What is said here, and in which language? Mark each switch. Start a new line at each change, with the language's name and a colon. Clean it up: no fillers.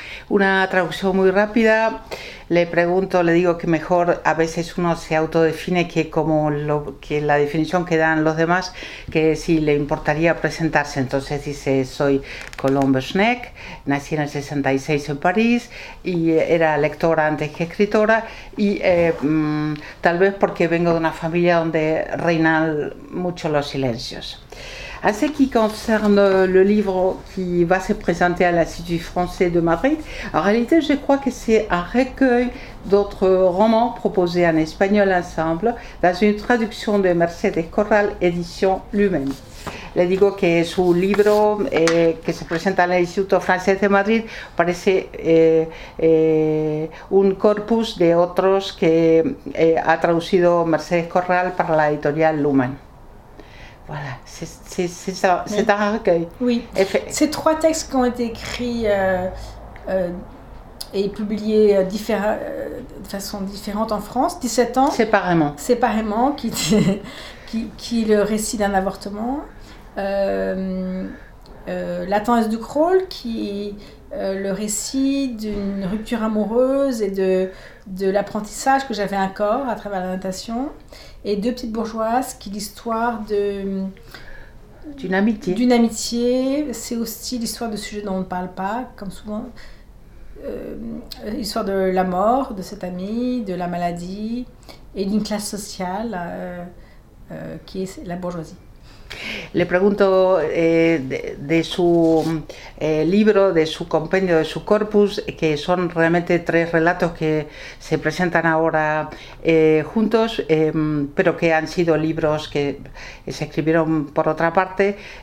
Spanish: Una traducción muy rápida, le pregunto, le digo que mejor a veces uno se autodefine que como lo, que la definición que dan los demás, que si le importaría presentarse. Entonces dice, soy Colomb Schneck, nací en el 66 en París y era lectora antes que escritora y tal vez porque vengo de una familia donde reinan mucho los silencios.
French: En ce qui concerne le livre qui va se présenter à l'Institut français de Madrid, en réalité, je crois que c'est un recueil d'autres romans proposés en espagnol ensemble dans une traduction de Mercedes Corral, édition Lumen.
Spanish: Le digo que su libro que se presenta en el Instituto Francés de Madrid parece un corpus de otros que ha traducido Mercedes Corral para la editorial Lumen.
French: Voilà, c'est ça, c'est un recueil. Oui, c'est trois textes qui ont été écrits et publiés de façon différente en France, 17 ans. Séparément. Séparément, qui est le récit d'un avortement. La tendresse du crawl, qui est le récit d'une rupture amoureuse et de l'apprentissage que j'avais un corps à travers la natation. Et Deux petites bourgeoises, qui est l'histoire d'une amitié. C'est aussi l'histoire de sujets dont on ne parle pas, comme souvent. L'histoire de la mort de cette amie, de la maladie et d'une classe sociale qui est la bourgeoisie.
Spanish: Le pregunto de su libro, de su compendio, de su corpus, que son realmente tres relatos que se presentan ahora juntos, pero que han sido libros que se escribieron por otra parte.